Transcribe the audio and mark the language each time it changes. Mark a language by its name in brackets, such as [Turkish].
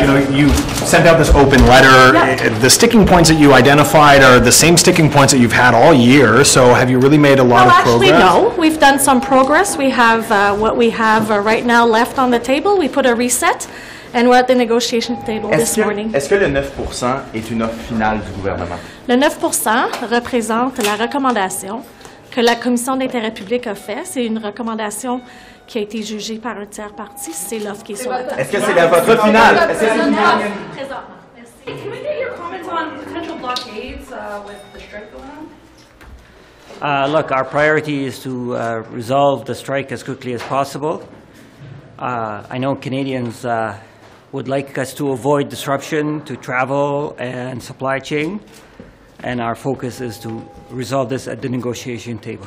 [English] You know, you sent out this open letter. Yeah. The sticking points that you identified are the same sticking points that you've had all year. So have you really made a lot of progress? Actually, no. We've done some progress. We have what we have right now left on the table. We put a reset, and we're at the negotiation table this morning. [French] Est-ce que le 9% est une offre finale du gouvernement? Le 9% représente la recommandation que la commission d'intérêt public a fait. C'est une recommandation qui a été jugée par un tiers parti. C'est l'offre qui est sur la table. Est-ce que c'est la vote finale? Est-ce que c'est finale? Présentement. Merci. [English] Can we get your comments on potential blockades with the strike going on? Look, our priority is to resolve the strike as quickly as possible. I know Canadians would like us to avoid disruption to travel and supply chain, and our focus is to resolve this at the negotiation table.